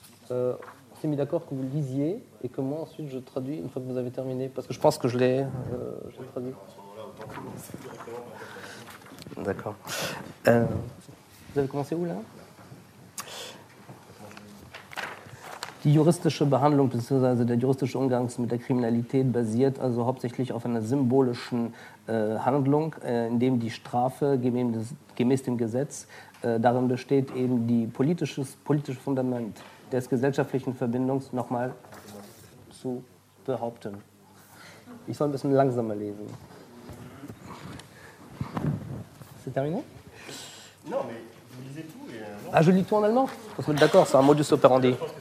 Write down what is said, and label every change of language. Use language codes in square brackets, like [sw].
[fr] On s'est mis d'accord que vous le lisiez et que moi ensuite je traduis une fois que vous avez terminé, parce que je pense que je l'ai traduit. D'accord. Vous avez commencé où là ? [de] Die juristische Behandlung bzw. der juristische Umgang mit der Kriminalität basiert also hauptsächlich auf einer symbolischen Handlung, in dem die Strafe gemäß dem Gesetz darin besteht, eben die politische Fundament des gesellschaftlichen Verbindungs nochmal zu behaupten. Ich soll ein bisschen langsamer lesen. [fr] C'est terminé? Non, mais vous lisez tout. Ah, je lis tout en allemand. Vous êtes d'accord, c'est un modus operandi.